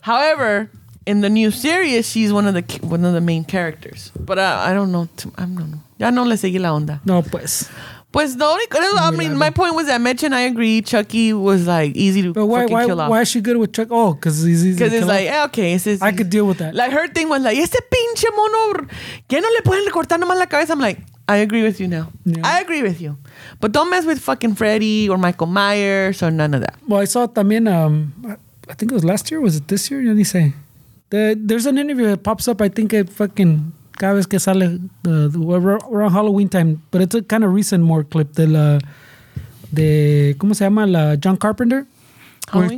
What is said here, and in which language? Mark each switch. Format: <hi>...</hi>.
<en>However... In the new series, she's one of the main characters. But I don't know. I don't know.</en> <es>Ya no le seguí la onda. No, pues.</es> <en>Pues, the only... my point was that Mitch and I agree. Chucky was, like, easy to kill off. Why is she good with Chucky? Oh, because he's easy to kill. Because it's like, okay. I could deal with that. Like, her thing was like,</en> <es>ese pinche mono, ¿qué no le pueden cortar nomás la cabeza?</es> <en>I'm like, I agree with you now. Yeah. I agree with you. But don't mess with fucking Freddy or Michael Myers or none of that. Well, I saw también, I think it was last year. Was it this year? Let me say. There's an interview that pops up. I think it fucking</en> <es>cada vez que sale</es> <en>around Halloween time, but it's a kind of recent more clip</en> <es>de la de cómo se llama la</es> <en>John Carpenter. Halloween?</en>